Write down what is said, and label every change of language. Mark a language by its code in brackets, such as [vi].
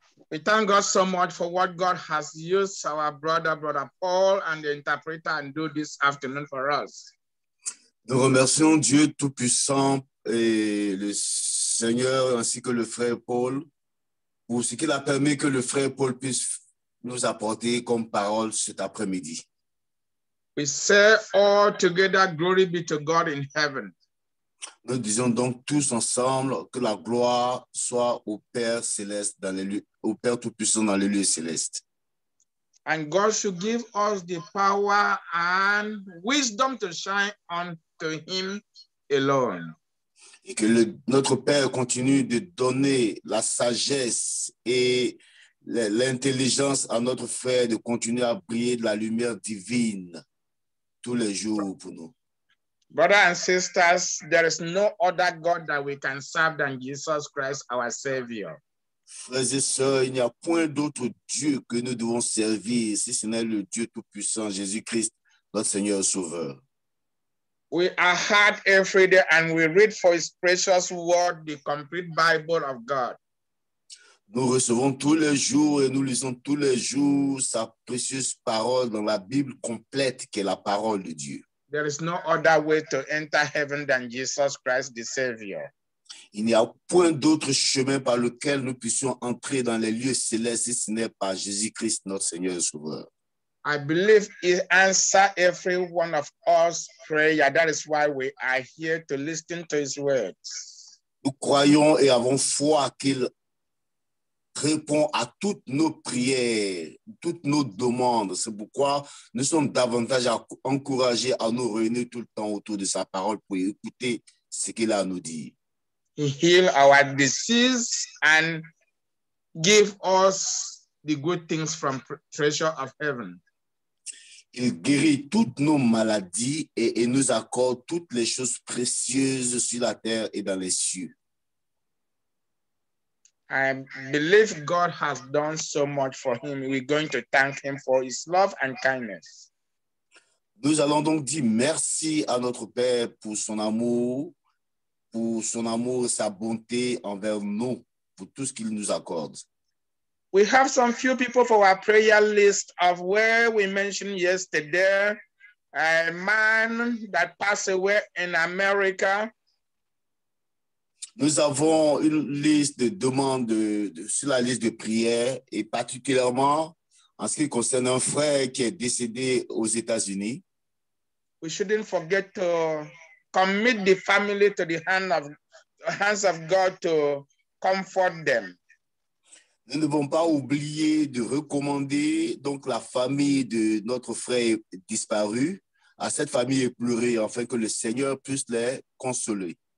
[en] We thank God so much for what God has used our brother, Brother Paul, and the interpreter and do this afternoon for us. [fr] Nous remercions Dieu Tout-Puissant et le Seigneur ainsi que le frère Paul pour ce qu'il a permis que le frère Paul puisse nous apporter comme parole cet après-midi. [en] We say all together, glory be to God in heaven. [fr] Nous disons donc tous ensemble que la gloire soit au Père céleste dans les lieux, au Père Tout-Puissant dans les lieux célestes. [en] And God should give us the power and wisdom to shine unto Him alone. [fr] Et que notre Père continue de donner la sagesse et l'intelligence à notre frère de continuer à briller de la lumière divine tous les jours pour nous. [en] Brothers and sisters, there is no other God that we can serve than Jesus Christ, our Savior. [fr] Frères et sœurs, il n'y a point d'autre Dieu que nous devons servir, si ce n'est le Dieu Tout-Puissant, Jésus-Christ, notre Seigneur Sauveur. [en] We are heard every day and we read for His precious word, the complete Bible of God. [fr] Nous recevons tous les jours et nous lisons tous les jours sa précieuse parole dans la Bible complète qui est la parole de Dieu. [en] There is no other way to enter heaven than Jesus Christ, the Savior. [fr] Il n'y a point d'autre chemin par lequel nous puissions entrer dans les lieux célestes si ce n'est par Jésus-Christ, notre Seigneur et Sauveur. [en] I believe He answers every one of us prayer. That is why we are here to listen to His words. [fr] Nous croyons et avons foi qu'Il répond à toutes nos prières, toutes nos demandes. C'est pourquoi nous sommes davantage encouragés à nous réunir tout le temps autour de sa parole pour écouter ce qu'il a à nous dire. [en] He heal our disease and give us the good things from treasure of heaven. [fr] Il guérit toutes nos maladies et nous accorde toutes les choses précieuses sur la terre et dans les cieux. [en] I believe God has done so much for him. We're going to thank him for his love and kindness. [fr] Nous allons donc dire merci à notre Père pour son amour et sa bonté envers nous, pour tout ce qu'il nous accorde. [en] We have some few people for our prayer list of where we mentioned yesterday, a man that passed away in America. [fr] Nous avons une liste de demandes sur la liste de prières et particulièrement en ce qui concerne un frère qui est décédé aux États-Unis. [en] We shouldn't forget to commit the family to the hands of God to comfort them. [fr] Nous ne devons pas oublier de recommander donc la famille de notre frère disparu à cette famille éplorée afin que le Seigneur puisse les consoler.